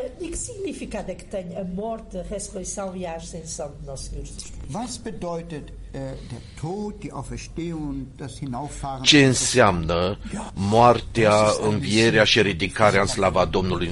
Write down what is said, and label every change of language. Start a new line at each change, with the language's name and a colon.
Portuguese: Que significado é que tem a morte, a ressurreição e a ascensão de nosso Senhor Jesus?
German: Was bedeutet der Tod, die Auferstehung, das Hinauffahren?
Romanian: Ce înseamnă moartea, învierea și ridicarea în slava Domnului?